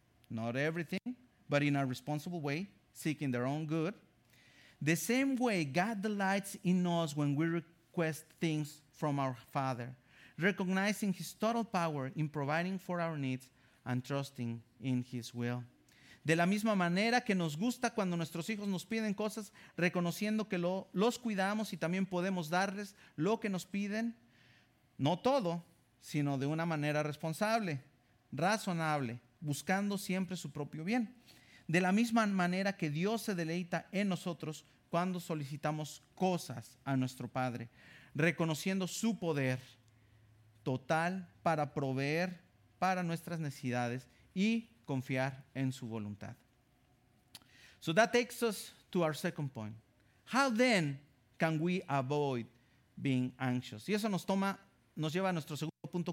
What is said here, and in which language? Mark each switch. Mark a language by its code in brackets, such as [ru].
[en] Not everything, but in a responsible way, seeking their own good. The same way God delights in us when we request things from our Father, recognizing His total power in providing for our needs and trusting in His will. [es] De la misma manera que nos gusta cuando nuestros hijos nos piden cosas, reconociendo que los cuidamos y también podemos darles lo que nos piden, no todo, sino de una manera responsable, razonable, buscando siempre su propio bien. De la misma manera que Dios se deleita en nosotros cuando solicitamos cosas a nuestro Padre, reconociendo su poder total para proveer para nuestras necesidades y confiar en su voluntad. [en] So that takes us to our second point. How then can we avoid being anxious? [es] Y eso nos lleva a nuestro segundo punto.